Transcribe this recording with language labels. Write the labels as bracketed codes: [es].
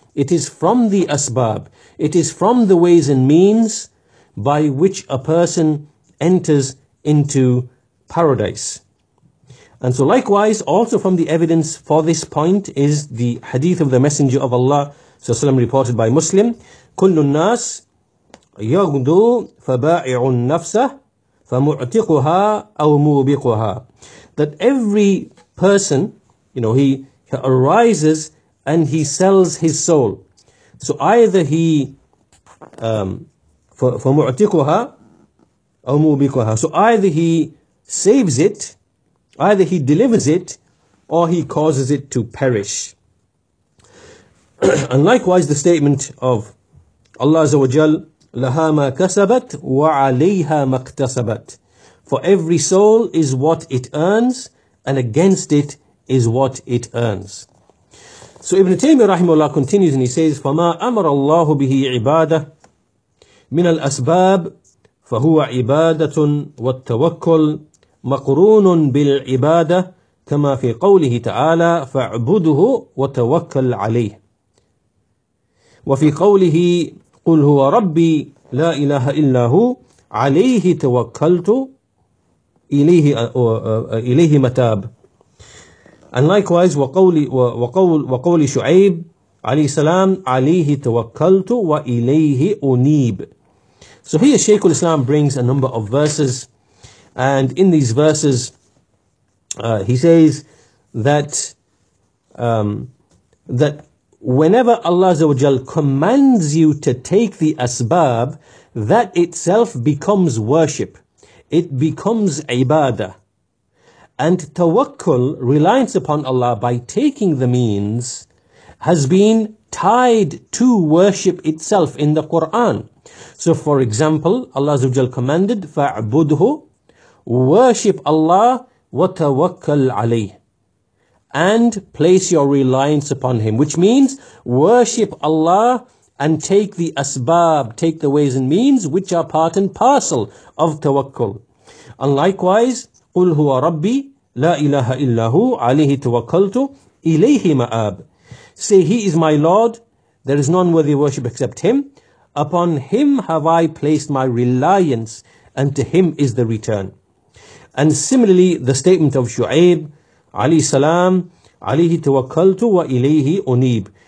[en] It is from the asbab. It is from the ways and means by which a person enters into paradise. And so likewise, also from the evidence for this point is the hadith of the Messenger of Allah, reported by Muslim, [ar] كل الناس يغدو فبائع نفسه فمعتقها أو موبقها. [en] That every person, you know, he arises and he sells his soul. So either he [ar] فمعتقها أو موبقها. [en] So either he saves it, either he delivers it, or he causes it to perish. And likewise, the statement of Allah Azza wa Jal, [ar] لَهَا مَا كَسَبَتْ وَعَلَيْهَا مَا اكْتَسَبَتْ. [en] For every soul is what it earns, and against it is what it earns. So Ibn Taymiyyah rahimahullah continues and he says, [ar] فَمَا أَمَرَ اللَّهُ بِهِ عِبَادَةٌ مِنَ الْأَسْبَابِ فَهُوَ عِبَادَةٌ وَالتَّوَكُّلٌ مَقْرُونٌ بِالْعِبَادَةِ كَمَا فِي قَوْلِهِ تَعَالَى فَاعْبُدُهُ وَتَوَكَّلْ عَلَيْهِ وفي قوله قل هو ربي لا إله إلا هو عليه توكلت إليه متاب. [en] And likewise [ar] وقول شعيب عليه السلام عليه توكلت وإليه أنيب. [en] So here Shaykh al-Islam brings a number of verses, and in these verses he says that that whenever Allah Azza wa Jal commands you to take the asbab, that itself becomes worship. It becomes ibadah. And tawakkul, reliance upon Allah by taking the means, has been tied to worship itself in the Quran. So for example, Allah Azza wa Jal commanded, فَاعْبُدْهُ, worship Allah, [ar] وَتَوَكَّلْ عَلَيْهِ, [en] and place your reliance upon him, which means worship Allah and take the asbab, take the ways and means which are part and parcel of tawakkul. And likewise, [ar] قُلْ هُوَ رَبِّي لَا إِلَهَ إِلَّا هُوَ عَلَيْهِ تَوَكَّلْتُ إِلَيْهِ مَآب. [en] Say, he is my Lord, there is none worthy of worship except him. Upon him have I placed my reliance, and to him is the return. And similarly, the statement of Shu'aib, [ar] عليه السلام عليه توكلت وإليه أنيب.